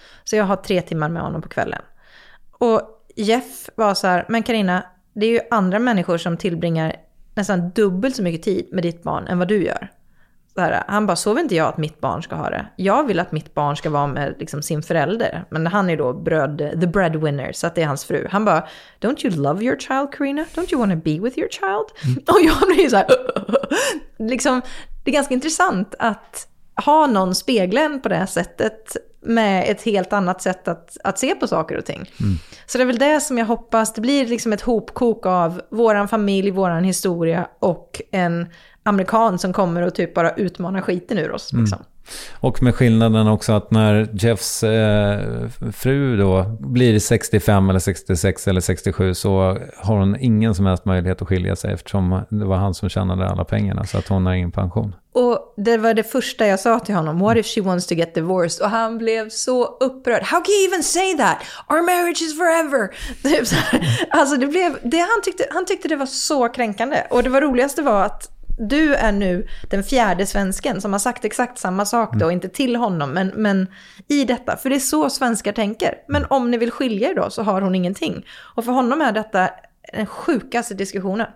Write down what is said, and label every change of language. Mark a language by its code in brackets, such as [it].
[sv] Så jag har 3 timmar med honom på kvällen. Och Jeff var så här, men Carina, det är ju andra människor som tillbringar nästan dubbelt så mycket tid med ditt barn än vad du gör. Han bara, sover inte jag att mitt barn ska ha det? Jag vill att mitt barn ska vara med liksom, sin förälder. Men han är då the breadwinner, så att det är hans fru. Han bara, [en] don't you love your child, Carina? Don't you want to be with your child? Mm. [sv] Och jag blir så här, liksom, det är ganska intressant att ha någon spegeln på det här sättet med ett helt annat sätt att se på saker och ting. Mm. Så det är väl det som jag hoppas, det blir liksom ett hopkok av våran familj, våran historia och en amerikan som kommer och typ bara utmanar skiten ur oss. Liksom. Mm. Och med skillnaden också att när Jeffs fru då blir 65 eller 66 eller 67 så har hon ingen som helst möjlighet att skilja sig eftersom det var han som tjänade alla pengarna, så att hon har ingen pension. Och det var det första jag sa till honom, [en] what if she wants to get divorced? [sv] Och han blev så upprörd. [en] How can you even say that? Our marriage is forever. [sv] Alltså det blev det, han tyckte det var så kränkande. Och det var roligaste var att du är nu den fjärde svensken som har sagt exakt samma sak då, inte till honom, men i detta. För det är så svenskar tänker. Men om ni vill skilja er då så har hon ingenting. Och för honom är detta den sjukaste diskussionen.